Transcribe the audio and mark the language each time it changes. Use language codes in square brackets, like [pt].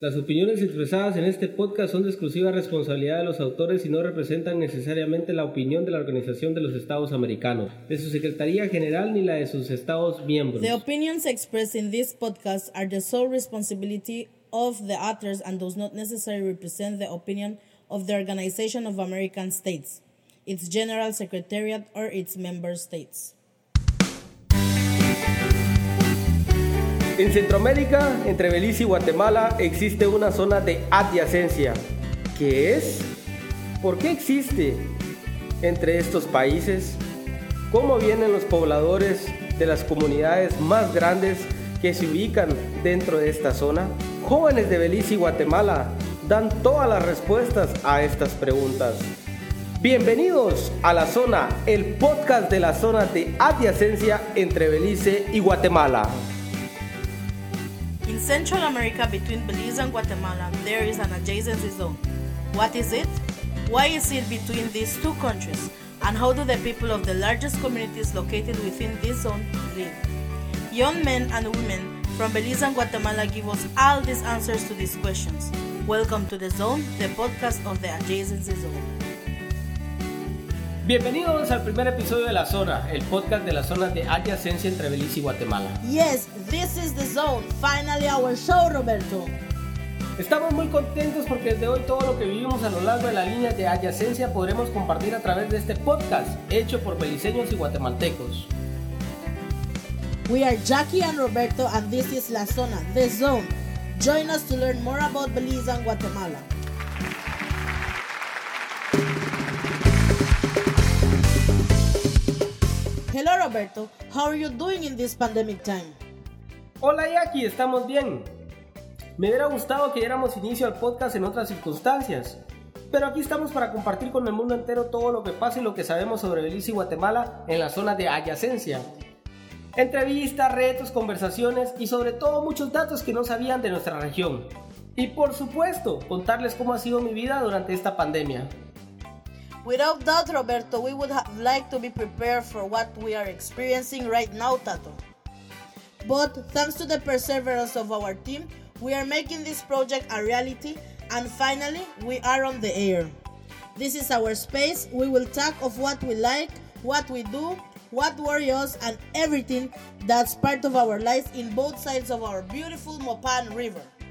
[es] Las opiniones expresadas en este podcast son de exclusiva responsabilidad de los autores y no representan necesariamente la opinión de la Organización de los Estados Americanos, de su Secretaría General ni la de sus Estados miembros. [en] The opinions expressed in this podcast are the sole responsibility of the authors and does not necessarily represent the opinion of the Organization of American States, its General Secretariat, or its member states. [es] En Centroamérica, entre Belice y Guatemala, existe una zona de adyacencia. ¿Qué es? ¿Por qué existe entre estos países? ¿Cómo vienen los pobladores de las comunidades más grandes que se ubican dentro de esta zona? Jóvenes de Belice y Guatemala dan todas las respuestas a estas preguntas. Bienvenidos a La Zona, el podcast de la zona de adyacencia entre Belice y Guatemala. [en] In Central America, between Belize and Guatemala, there is an adjacency zone. What is it? Why is it between these two countries? And how do the people of the largest communities located within this zone live? Young men and women from Belize and Guatemala give us all these answers to these questions. Welcome to The Zone, the podcast of the adjacency zone. [es] Bienvenidos al primer episodio de La Zona, el podcast de la zona de adyacencia entre Belice y Guatemala. [en] Yes, this is The Zone, finally our show, Roberto. [es] Estamos muy contentos porque desde hoy todo lo que vivimos a lo largo de la línea de adyacencia podremos compartir a través de este podcast hecho por beliceños y guatemaltecos. [en] We are Jackie and Roberto and this is La Zona, The Zone. Join us to learn more about Belize and Guatemala. Hello Roberto, how are you doing in this pandemic time? [es] Hola Jackie, estamos bien. Me hubiera gustado que diéramos inicio al podcast en otras circunstancias, pero aquí estamos para compartir con el mundo entero todo lo que pasa y lo que sabemos sobre Belice y Guatemala en la zona de adyacencia. Entrevistas, retos, conversaciones y sobre todo muchos datos que no sabían de nuestra región. Y por supuesto, contarles cómo ha sido mi vida durante esta pandemia. [en] Without doubt, Roberto, we would have liked to be prepared for what we are experiencing right now, Tato. But thanks to the perseverance of our team, we are making this project a reality, and finally, we are on the air. This is our space. We will talk of what we like, what we do, what worries us, and everything that's part of our lives in both sides of our beautiful Mopan River.